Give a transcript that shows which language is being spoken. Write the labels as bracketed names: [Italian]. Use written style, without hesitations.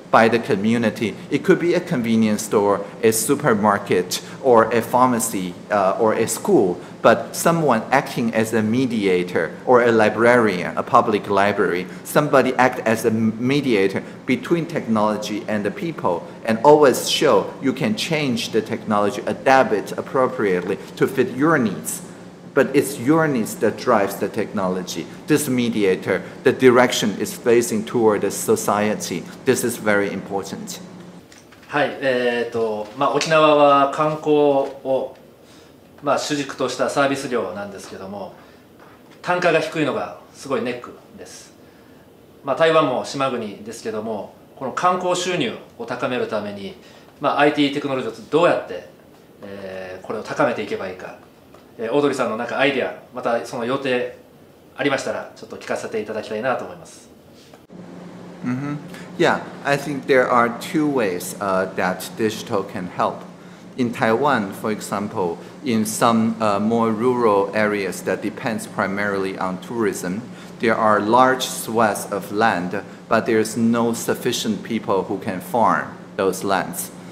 [English] by the community. It could be a convenience store, a supermarket, or a pharmacy, or a school, but someone acting as a mediator or a librarian, a public library, somebody act as a mediator between technology and the people, and always show you can change the technology, adapt it appropriately to fit your needs. But it's your needs that drives the technology. This mediator, the direction is facing toward the society. This is very important. [Japanese] はい、まあ、沖縄は観光を、まあ、主軸としたサービス業なんですけども、単価が低いのがすごいネックです。まあ、台湾も島国ですけども、この観光収入を高めるために、まあ、IT テクノロジーをどうやって、これを高めていけばいいか。オードリーさんのなんかアイディア、またその予定ありましたらちょっと聞かせていただきたいなと思います。 Mm-hmm. [English] Yeah, I think there are two ways that digital can help. In Taiwan, for example, in some more rural areas that depends primarily on tourism, there are large swaths of land, but there's no sufficient people who can farm those lands.